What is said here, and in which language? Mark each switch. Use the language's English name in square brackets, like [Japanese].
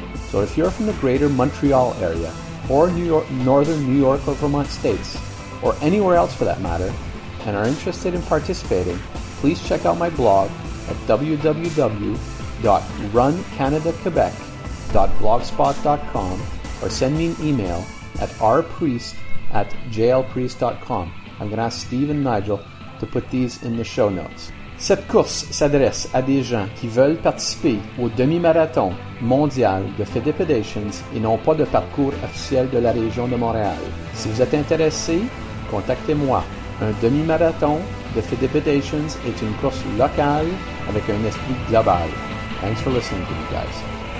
[English] So if you're from the greater Montreal area, or New York, northern New York or Vermont states, or anywhere else for that matter, and are interested in participating, please check out my blog at www.runcanadaquebec.blogspot.com or send me an email at rpriest@jlpriest.com. I'm going to ask Steve and Nigel to put these in the show notes. [French] Cette course s'adresse à des gens qui veulent participer au demi-marathon mondial de Fidipidations et n'ont pas de parcours officiel de la région de Montréal. Si vous êtes intéressé, contactez-moi. Un demi-marathon de Fidipidations est une course locale avec un esprit global. [English] Thanks for listening to me, guys.